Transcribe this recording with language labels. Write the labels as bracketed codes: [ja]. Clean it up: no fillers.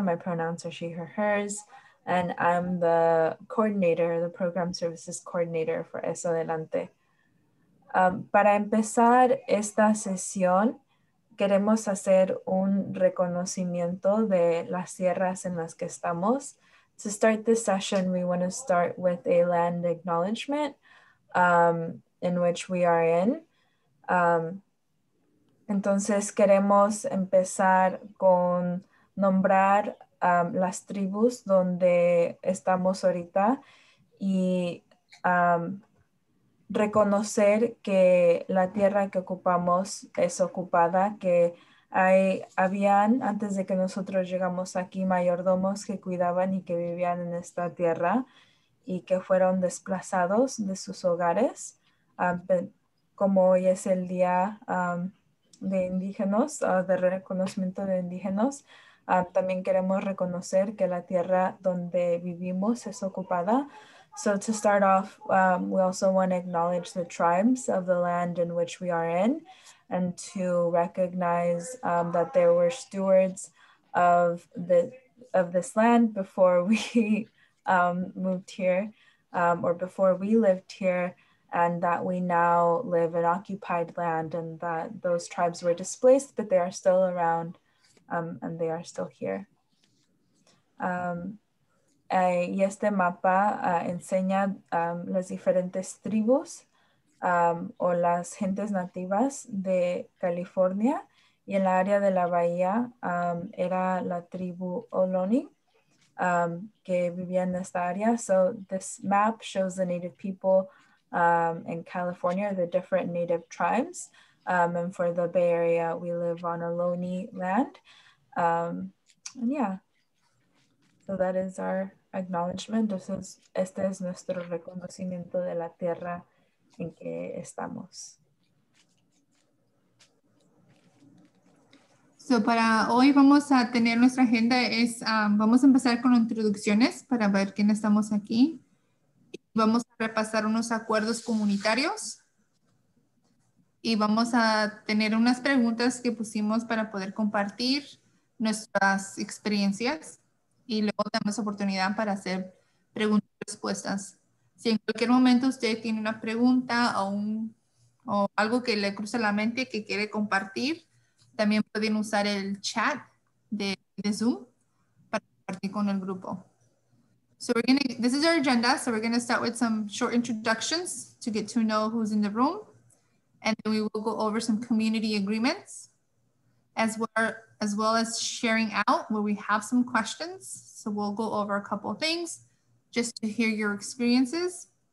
[en] My pronouns are she, her, hers. And I'm the coordinator, the program services coordinator for Eso Adelante. [es] Para empezar esta sesión, queremos hacer un reconocimiento de las tierras en las que estamos. [en] To start this session, we want to start with a land acknowledgement in which we are in. [es] Entonces queremos empezar con nombrar las tribus donde estamos ahorita y reconocer que la tierra que ocupamos es ocupada, que habían antes de que nosotros llegamos aquí mayordomos que cuidaban y que vivían en esta tierra y que fueron desplazados de sus hogares, como hoy es el día de indígenas, de reconocimiento de indígenas. También queremos reconocer que la tierra donde vivimos es ocupada. [en] So to start off, we also want to acknowledge the tribes of the land in which we are in and to recognize that there were stewards of this land before we moved here or before we lived here, and that we now live in occupied land and that those tribes were displaced, but they are still around and they are still here. [es] Y este mapa enseña las diferentes tribus o las gentes nativas de California, y en la área de la bahía era la tribu Ohlone que vivía en esta área. [en] So this map shows the native people in California, the different native tribes. And for the Bay Area, we live on Ohlone land. And yeah, so that is our acknowledgement. [es] Entonces, este es nuestro reconocimiento de la tierra en que estamos. So para hoy vamos a tener nuestra agenda es, vamos a empezar con introducciones para ver quién estamos aquí. Vamos a repasar unos acuerdos comunitarios y vamos a tener unas preguntas que pusimos para poder compartir nuestras experiencias y luego tenemos oportunidad para hacer preguntas y respuestas. Si en cualquier momento usted tiene una pregunta o algo que le cruza la mente que quiere compartir, también pueden usar el chat de Zoom para compartir con el grupo. [en] So we're gonna, this is our agenda. So we're gonna start with some short introductions to get to know who's in the room. And then we will go over some community agreements as well as sharing out where we have some questions. So we'll go over a couple of things just to hear your experiences.